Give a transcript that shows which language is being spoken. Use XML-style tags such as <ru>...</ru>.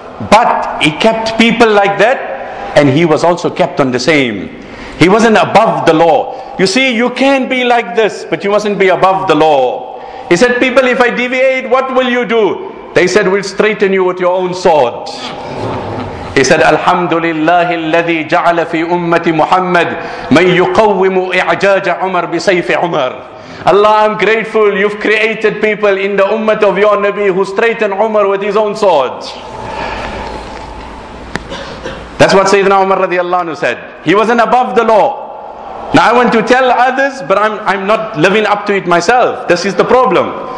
<en>But he kept people like that, and he was also kept on the same. He wasn't above the law. You see, you can be like this, but you mustn't be above the law. He said, people, if I deviate, what will you do? They said, we'll straighten you with your own sword. He said,</en> <ar>Alhamdulillah, الذي جعل في أمة محمد من يقوم إعجاج عمر بسيف عمر.</ar> <en>Allah, I'm grateful you've created people in the ummah of your Nabi who straightened Umar with his own sword. That's what Sayyidina Umar radiallahu anhu said. He wasn't above the law. Now I want to tell others, but I'm not living up to it myself. This is the problem.</en>